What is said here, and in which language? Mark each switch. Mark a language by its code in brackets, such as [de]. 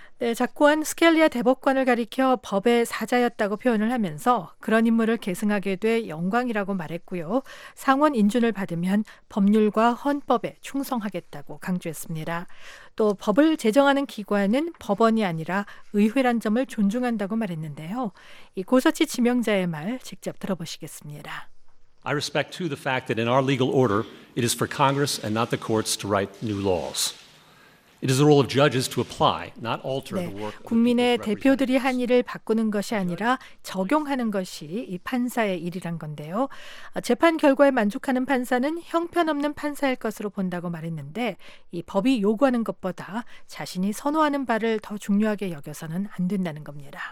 [ko] 네, 작고한 스켈리아 대법관을 가리켜 법의 사자였다고 표현을 하면서 그런 인물을 계승하게 돼 영광이라고 말했고요. 상원 인준을 받으면 법률과 헌법에 충성하겠다고 강조했습니다. 또 법을 제정하는 기관은 법원이 아니라 의회란 점을 존중한다고 말했는데요. 이 고서치 지명자의 말 직접 들어보시겠습니다. [en] I respect too the fact that in our legal order it is for Congress and not the courts to write new laws. It is the role of judges to apply, not alter the work. [ko] 국민의 대표들이 한 일을 바꾸는 것이 아니라 적용하는 것이 이 판사의 일이란 건데요. 재판 결과에 만족하는 판사는 형편없는 판사일 것으로 본다고 말했는데 이 법이 요구하는 것보다 자신이 선호하는 바를 더 중요하게 여겨서는 안 된다는 겁니다.